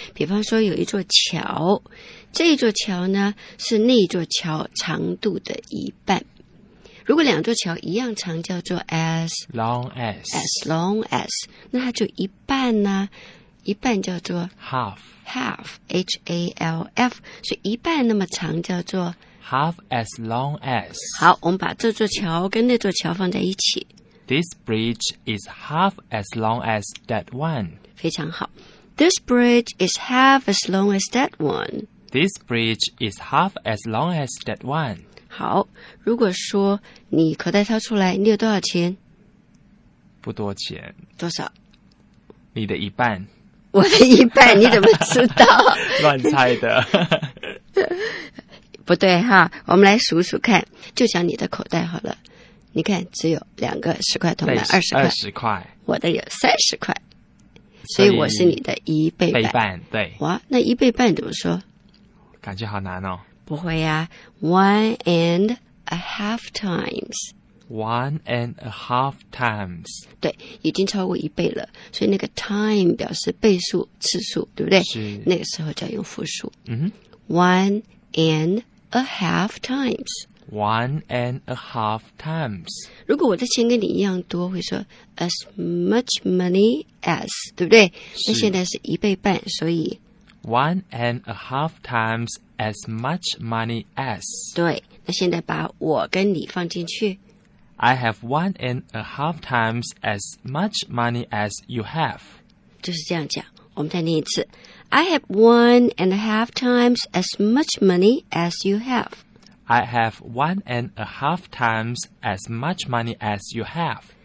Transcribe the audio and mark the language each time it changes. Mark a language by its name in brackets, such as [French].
[Chinese] 比方说有一座桥，这一座桥呢是那一座桥长度的一半，如果两座桥一样长叫做 as [English] long as， [Chinese] as long as， 那它就一半呢，一半叫做 [English] half， [Chinese] half， H-A-L-F， 所以一半那么长叫做 [English] half as long as。 [Chinese] 好，我们把这座桥跟那座桥放在一起， [English] This bridge is half as long as that one。 [Chinese] 非常好， [English] This bridge is half as long as that one。 This bridge is half as long as that one。 [Chinese] 好，如果说你口袋掏出来，你有多少钱？不多钱。多少？你的一半。我的一半，你怎么知道？乱猜的。不对哈，我们来数数看，就讲你的口袋好了。你看，只有两个十块铜板，二十块。二十块。我的有三十块，所以我是你的一倍半。倍半，对。哇，那一倍半怎么说？感觉好难哦。不会呀， [English] one and a half times， one and a half times， [Chinese] 对，已经超过一倍了，所以那个 time 表示倍数次数，对不对？是，那个时候就要用复数。嗯哼， [English] one and a half times， one and a half times。 [Chinese] 如果我的钱跟你一样多，会说 as much money as， 对不对？那现在是一倍半，所以 [English] one and a half times as much money as。 [Chinese] 对，那现在把我跟你放进去， [English] I have one and a half times as much money as you have。 [Chinese] 就是这样讲，我们再念一次， [English] I have one and a half times as much money as you have。 I have one and a half times as much money as you have。